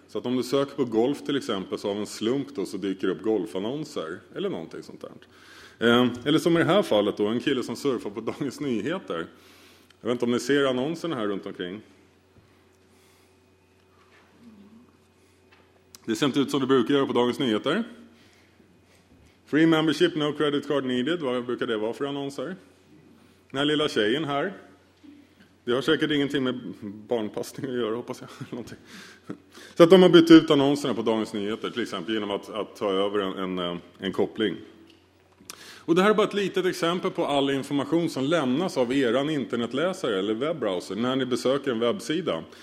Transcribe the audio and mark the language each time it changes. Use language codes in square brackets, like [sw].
[sv] Så att om du söker på golf till exempel så av en slump då så dyker upp golfannonser eller någonting sånt där. Eller som i det här fallet då, en kille som surfar på Dagens Nyheter. Jag vet inte om ni ser annonserna här runt omkring. Det ser inte ut som det brukar göra på Dagens Nyheter. [en] Free membership, no credit card needed. [sv] Vad brukar det vara för annonser? Den här lilla tjejen här. Det har säkert ingenting med barnpassning att göra, hoppas jag. Så att de har bytt ut annonserna på Dagens Nyheter, till exempel genom att ta över en koppling. Och det här är bara ett litet exempel på all information som lämnas av er internetläsare eller webbrowser när ni besöker en webbsida.